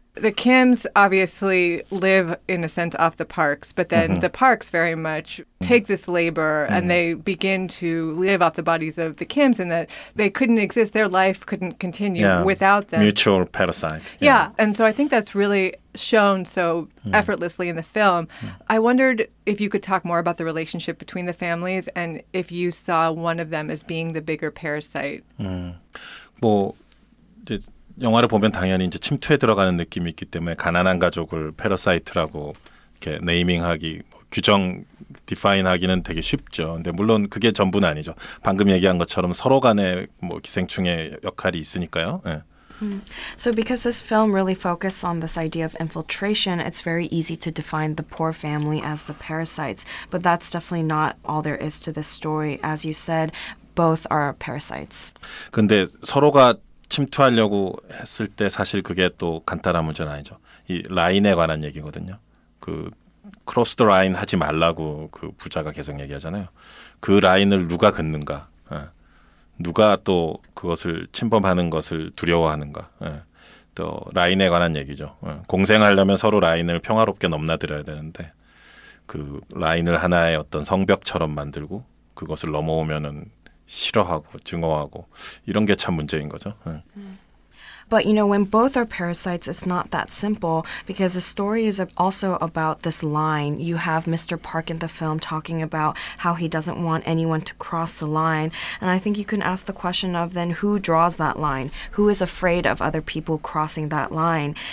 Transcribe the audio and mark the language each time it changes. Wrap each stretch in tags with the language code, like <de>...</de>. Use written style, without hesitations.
<en>The Kims obviously live, in a sense, off the Parks, but then the Parks very much take this labor and they begin to live off the bodies of the Kims, and that they couldn't exist, their life couldn't continue without them. Mutual parasite. Yeah, and so I think that's really shown so effortlessly in the film. I wondered if you could talk more about the relationship between the families and if you saw one of them as being the bigger parasite.</en> <ko>영화를 보면 당연히 이제 침투에 들어가는 느낌이 있기 때문에 가난한 가족을 패러사이트라고 이렇게 네이밍하기, 뭐 규정 디파인하기는 되게 쉽죠. 근데 물론 그게 전부는 아니죠. 방금 얘기한 것처럼 서로 간에 뭐 기생충의 역할이 있으니까요. 예.</ko> <en>So because this film really focuses on this idea of infiltration, it's very easy to define the poor family as the parasites, but that's definitely not all there is to this story. As you said, both are parasites.</en> <ko>근데 서로가 침투하려고 했을 때 사실 그게 또 간단한 문제는 아니죠. 이 라인에 관한 얘기거든요. 그</ko> <en>크로스 더 라인</en> <ko>하지 말라고 그 부자가 계속 얘기하잖아요. 그 라인을 누가 긋는가? 예. 누가 또 그것을 침범하는 것을 두려워하는가? 예. 또 라인에 관한 얘기죠. 예. 공생하려면 서로 라인을 평화롭게 넘나들어야 되는데 그 라인을 하나의 어떤 성벽처럼 만들고 그것을 넘어오면은 싫어하고 증오하고 이런 게 참 문제인 거죠. 네.</ko> <en>But, you know, when both are parasites, it's not that simple because the story is also about this line. You have Mr. Park in the film talking about how he doesn't want anyone to cross the line. And I think you can ask the question of then who draws that line? Who is afraid of other people crossing that line?</en>